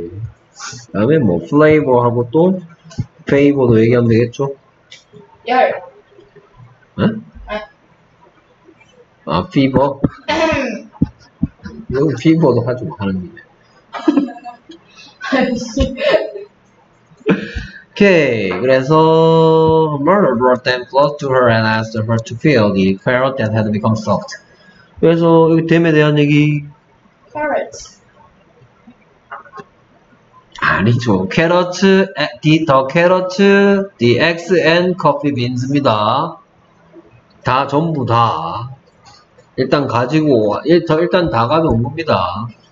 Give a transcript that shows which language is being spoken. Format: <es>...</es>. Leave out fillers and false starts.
<ko>그 다음에 뭐, 플레이버하고 또, 페이버도 얘기하면 되겠죠? 열. 응? 아, 피버? 이거 피버도 하죠, 하는 일. 오케이, 그래서</ko> <en>mother brought them close to her and asked her to feel the carrot that had become soft.</en> <ko>그래서 여기 뎀에 대한 얘기.</ko> <en>Carrot.</en> <ko>아니죠,</ko> <en>carrot, the carrot, the eggs and coffee beans입니다.</en> <ko>다 전부 다. 일단 가지고 일단 다 가져온 겁니다.</ko>